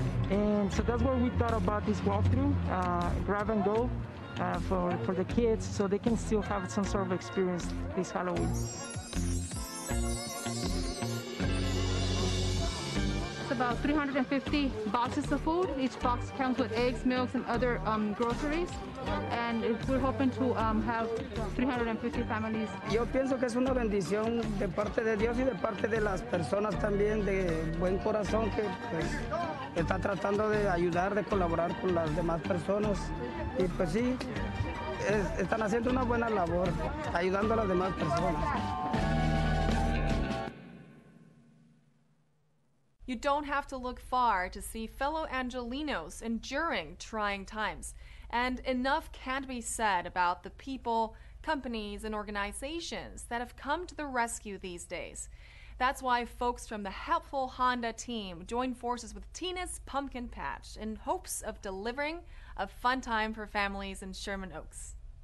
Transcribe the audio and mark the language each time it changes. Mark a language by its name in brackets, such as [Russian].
[English] And so that's what we thought about this walkthrough, grab and go for the kids so they can still have some sort of experience this Halloween. About 350 boxes of food. Each box comes with eggs, milks, and other groceries. And we're hoping to have 350 families. [Spanish] Yo pienso que es una bendición de parte de Dios y de parte de las personas también de buen corazón que pues, está tratando de ayudar, de colaborar con las demás personas. Y pues sí, están haciendo una buena labor, ayudando a las demás personas. [English] You don't have to look far to see fellow Angelenos enduring trying times. And enough can't be said about the people, companies, and organizations that have come to the rescue these days. That's why folks from the Helpful Honda team joined forces with Tina's Pumpkin Patch in hopes of delivering a fun time for families in Sherman Oaks.